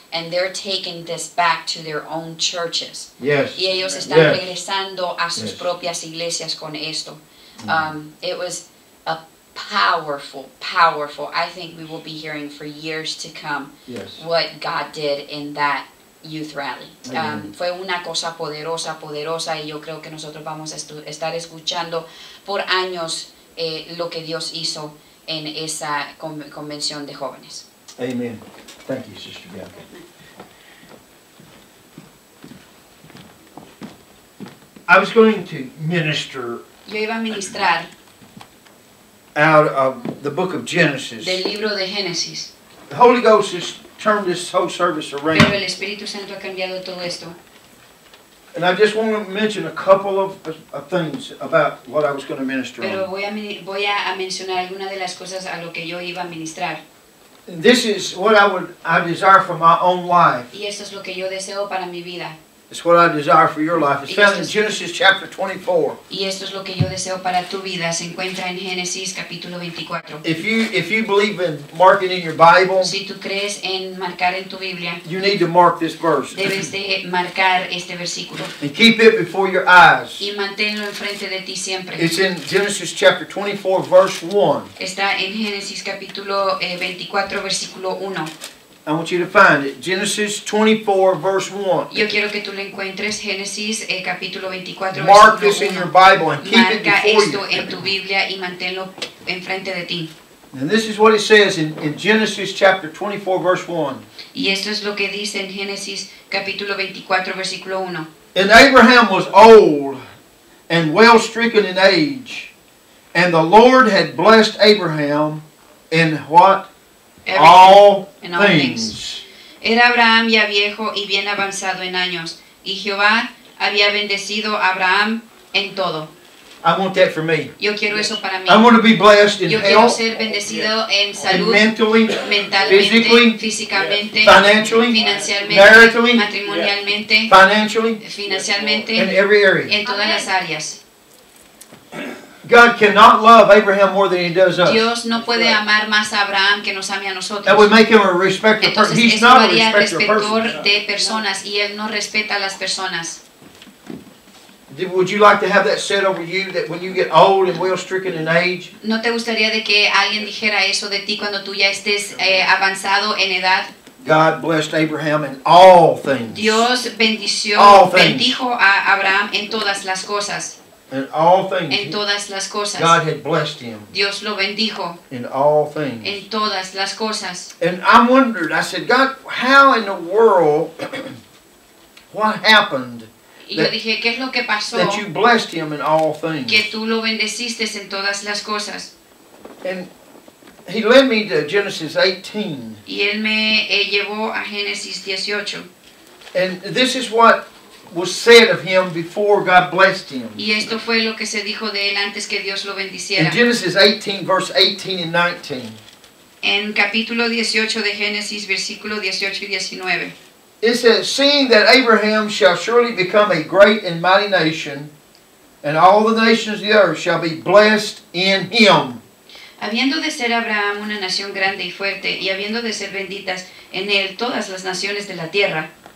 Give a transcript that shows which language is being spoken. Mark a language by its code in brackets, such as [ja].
[en] And they're taking this back to their own churches. Yes. [es] Y ellos están yes. regresando a sus yes. propias iglesias con esto. [en] It was a powerful, powerful. I think we will be hearing for years to come yes. what God did in that youth rally. [es] Fue una cosa poderosa, poderosa, y yo creo que nosotros vamos a estar escuchando por años lo que Dios hizo en esa convención de jóvenes. [en] Amen. Thank you, Sister Bianca. I was going to minister. [es] Yo iba a ministrar. [en] Out of the book of Genesis. [es] Del libro de Génesis. [en] The Holy Ghost has turned this whole service around. [es] Pero el Espíritu Santo ha cambiado todo esto. [en] And I just want to mention a couple of things about what I was going to minister. [es] Pero voy a mencionar alguna de las cosas a lo que yo iba a ministrar. [en] This is what I desire for my own life. [es] Y esto es lo que yo deseo para mi vida. [en] It's what I desire for your life. It's found in Genesis chapter 24. [es] Y esto es lo que yo deseo para tu vida. Se encuentra en Génesis capítulo 24. [en] If you believe in marking in your Bible, [es] si tú crees en marcar en tu Biblia, [en] you need to mark this verse. [es] Debes de marcar este versículo. [en] And keep it before your eyes. [es] Y manténlo enfrente de ti siempre. [en] It's in Genesis chapter 24, verse 1. [es] Está en Génesis capítulo 24, versículo 1. [en] I want you to find it. Genesis 24, verse 1. [es] Yo quiero que tú lo encuentres. Génesis, capítulo 24, [en] mark this in your Bible and keep [es] marca [en] it before [es] esto [en] you. [es] Esto en tu Biblia y manténlo enfrente de ti. [en] And this is what it says in Genesis chapter 24, verse 1. [es] Y esto es lo que dice en Génesis, capítulo 24, versículo 1. [en] And Abraham was old and well stricken in age, and the Lord had blessed Abraham in what? Everything, all things. [es] Era Abraham ya viejo y bien avanzado en años, y Jehová había bendecido a Abraham en todo. [en] I want that for me. [es] Yo quiero eso para mí. [en] I want to be blessed in [es] yo [en] health. [es] Yo quiero ser bendecido en salud, [en] mentally, [es] mentalmente, [en] physically, financially, financially, maritally, [es] matrimonialmente, [en] financially, [es] financialmente, [en] in every area. [es] En todas las áreas. [en] God cannot love Abraham more than he does us. [es] Dios no puede amar más a Abraham que nos ame a nosotros. [en] That would make him a respecter of persons. He's not a [es] respecter de personas, y él no respeta las personas. [en] Would you like to have that said over you, that when you get old and well stricken in age? [es] ¿No te gustaría de que alguien dijera eso de ti cuando tú ya estés avanzado en edad? [en] God blessed Abraham in all things. [es] Dios bendició, bendijo a Abraham en todas las cosas. [en] In all things, [es] en todas las cosas, [en] God had blessed him. [es] Dios lo bendijo. [en] In all things, [es] en todas las cosas. [en] And I wondered. I said, God, how in the world? What happened? [es] Y yo dije, ¿qué es lo que pasó? [en] That you blessed him in all things. [es] Que tú lo bendeciste en todas las cosas. [en] And he led me to Genesis 18. [es] Y él me llevó a Génesis 18. [en] And this is what was said of him before God blessed him. [es] Y esto fue lo que se dijo de él antes que Dios lo bendiciera. [en] In Genesis 18, verse 18 and 19. [es] En capítulo 18 de Génesis, versículo 18 y 19. [en] It says, seeing that Abraham shall surely become a great and mighty nation, and all the nations of the earth shall be blessed in him. [es] Habiendo de ser Abraham una nación grande y fuerte, y habiendo de ser benditas en él todas las naciones de la tierra.